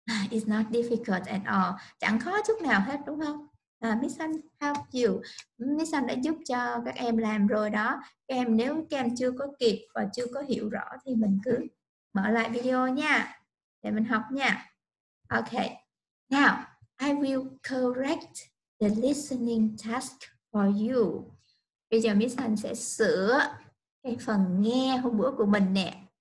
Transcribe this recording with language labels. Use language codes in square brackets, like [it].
[en] It's not difficult at all. [vi] Chẳng khó chút nào hết đúng không? [en] Miss Sun help you. [vi] Miss Sun đã giúp cho các em làm rồi đó. Các em nếu các em chưa có kịp và chưa có hiểu rõ thì mình cứ mở lại video nha. Để mình học nha. [en] Okay. Now, I will correct the listening task for you. [vi] Bây giờ Miss Sun sẽ sửa cái phần nghe hôm bữa của mình nè.